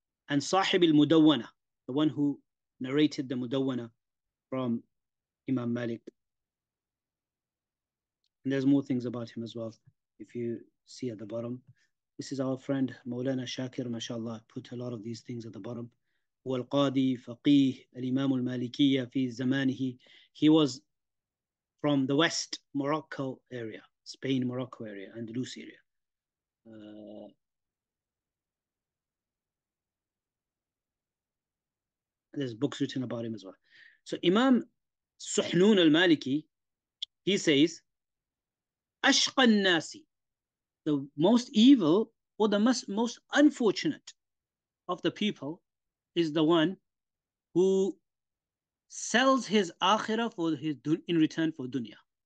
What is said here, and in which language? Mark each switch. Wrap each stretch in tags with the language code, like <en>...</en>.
<en>And Sahib al-Mudawwana, the one who narrated the Mudawwana from Imam Malik. And there's more things about him as well, if you see at the bottom. This is our friend, Mawlana Shakir, mashallah, put a lot of these things at the bottom.</en> <ar>والقاضي فقيه الإمام المالكية في زمانه.</ar> <en>He was from the west Morocco area, Spain, Morocco area, Andalus area. There's books written about him as well. So Imam Suhnun al-Maliki, he says,</en> <ar>أشقى الناس,</ar> <en>the most evil or the most unfortunate of the people is the one who sells his akhirah for his in return for dunya.</en>